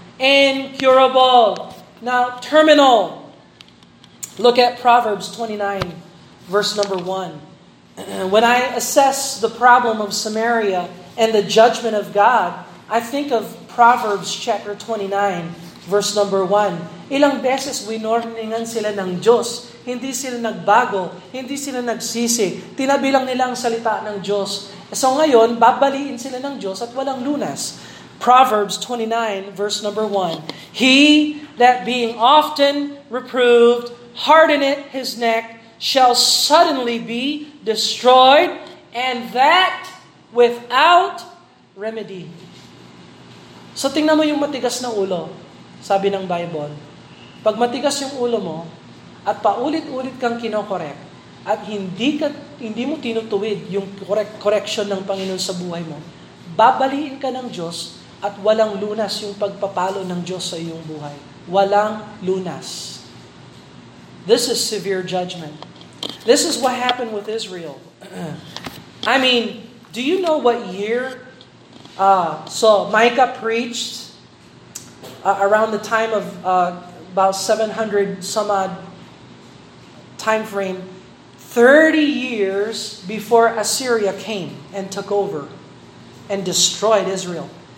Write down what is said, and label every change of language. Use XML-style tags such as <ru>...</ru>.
<en>Incurable. Now, terminal. Look at Proverbs 29, verse number 1. When I assess the problem of Samaria and the judgment of God, I think of Proverbs chapter 29, verse number 1.</en> <tl>Ilang beses winorningan sila ng Diyos. Hindi sila nagbago, hindi sila nagsisi. Tinabilang nila ang salita ng Diyos. So ngayon, babaliin sila ng Diyos at walang lunas.</tl> <en>Proverbs 29, verse number 1. He that being often reproved, hardeneth his neck, shall suddenly be destroyed, and that without remedy.</en> <tl>So tingnan mo yung matigas na ulo, sabi ng Bible. Pag matigas yung ulo mo, at paulit-ulit kang kinokorek, at hindi mo tinutuwid yung correction ng Panginoon sa buhay mo, babaliin ka ng Diyos, at walang lunas yung pagpapalo ng Diyos sa iyong buhay. Walang lunas.</tl> <en>This is severe judgment. This is what happened with Israel. I mean, do you know what year Micah preached around the time of about 700 some odd time frame, 30 years before Assyria came and took over and destroyed Israel.</en>